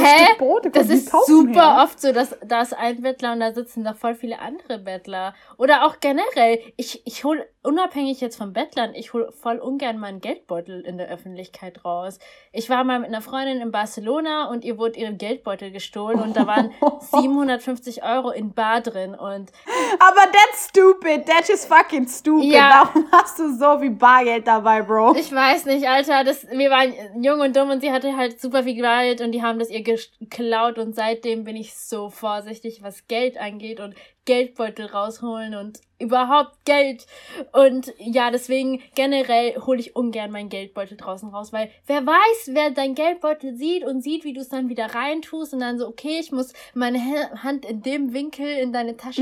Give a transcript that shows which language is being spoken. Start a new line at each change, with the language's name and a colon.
German: ein Stück Boden kommt, das ist super her. Oft so, dass da ist ein Bettler und da sitzen noch voll viele andere Bettler. Oder auch generell, ich hole unabhängig jetzt vom Bettlern, ich hole voll ungern meinen Geldbeutel in der Öffentlichkeit raus. Ich war mal mit einer Freundin in Barcelona und ihr wurde ihrem Geldbeutel gestohlen und da waren 750 Euro in bar drin. Und
English: aber that's stupid, that is fucking stupid.
German: Ja. Warum hast du so viel Bargeld dabei, Bro? Ich weiß nicht, Alter, wir waren jung und dumm und sie hatte halt super viel Geld und die haben das ihr geklaut und seitdem bin ich so vorsichtig, was Geld angeht und Geldbeutel rausholen und überhaupt Geld. Und ja, deswegen generell hole ich ungern meinen Geldbeutel draußen raus, weil wer weiß, wer dein Geldbeutel sieht und sieht, wie du es dann wieder reintust und dann so, okay, ich muss meine Hand in dem Winkel in deine Tasche